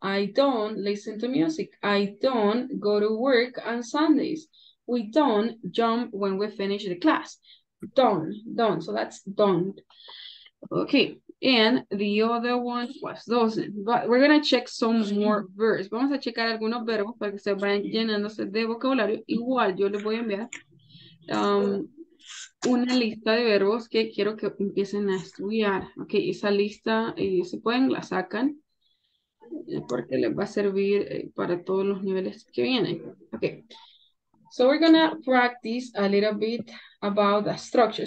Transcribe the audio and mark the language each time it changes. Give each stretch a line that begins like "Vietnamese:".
English: I don't listen to music. I don't go to work on Sundays. We don't jump when we finish the class. Don't. So that's don't. Okay. And the other one was doesn't. But we're going to check some more verbs.
Spanish: Vamos a checar algunos verbos para que se vayan llenándose de vocabulario. Igual yo les voy a enviar. Una lista de verbos que quiero que empiecen a estudiar. Ok, esa lista, si pueden, la sacan. Porque les va a servir para todos los niveles que vienen. Ok.
English: So we're going to practice a little bit about the structure.